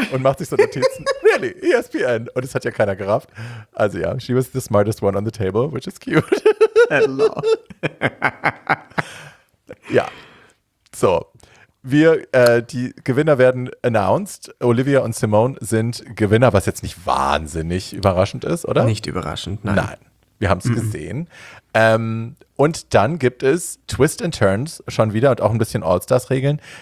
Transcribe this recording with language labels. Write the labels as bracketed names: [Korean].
[German] Und macht sich so Notizen, [English] really, ESPN? [German] Und es hat ja keiner gerafft. [English] Also ja, she was the smartest one on the table, which is cute. Hello. [German] Ja, so. Die Gewinner werden announced. Olivia und Simone sind Gewinner, was jetzt nicht wahnsinnig überraschend ist, oder? Nicht überraschend, nein. Nein, wir haben es gesehen. Und dann gibt es Twist and Turns schon wieder und auch ein bisschen All-Stars-Regeln.